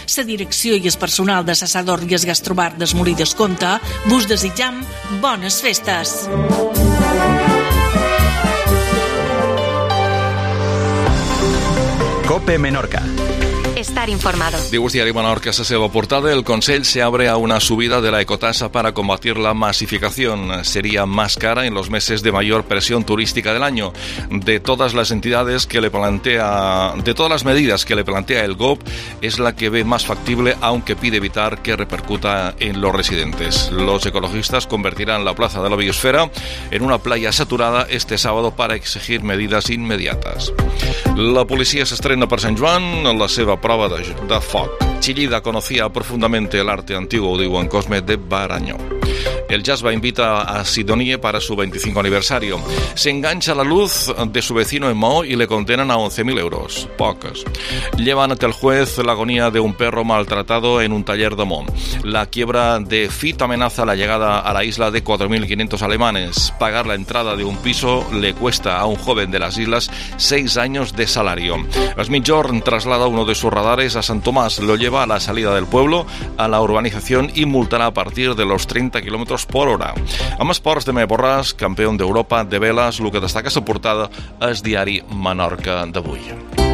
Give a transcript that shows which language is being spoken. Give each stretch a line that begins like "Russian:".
Catalan: La direcció i el personal de Assador i el Gastrobar de Molí Descompte vos desitjam bones festes.
Spanish: COPE Menorca. Estar informado.
Catalan: Dibuix Diari Menorca, se seva portada.
Spanish: El Consell se abre a una subida de la ecotasa para combatir la masificación. Sería más cara en los meses de mayor presión turística del año. De todas las entidades que le plantea, de todas las medidas que le plantea el GOP, es la que ve más factible, aunque pide evitar que repercuta en los residentes. Los ecologistas convertirán la Plaza de la Biosfera en una playa saturada este sábado para exigir medidas inmediatas. La policía se estrena
Catalan: per Sant Joan, la seva prova de foc.
Spanish: Chillida conocía profundamente el arte antiguo, digo, en Cosme de Baraño. El Jazzba invita a Sidonie para su 25 aniversario. Se engancha la luz de su vecino en Mao y le condenan a 11.000 euros. Pocos. Llevan ante el juez la agonía de un perro maltratado en un taller de Mao. La quiebra de Fit amenaza la llegada a la isla de 4.500 alemanes. Pagar la entrada de un piso le cuesta a un joven de las islas 6 años de salario. Smith-Jorn traslada uno de sus radares a San Tomás, lo lleva a la salida del pueblo, a la urbanización y multará a partir de los 30 kilómetros por hora.
Catalan: Amb esports, Demé Borràs, campió d'Europa de veles, el que destaca la portada és Diari Menorca d'avui.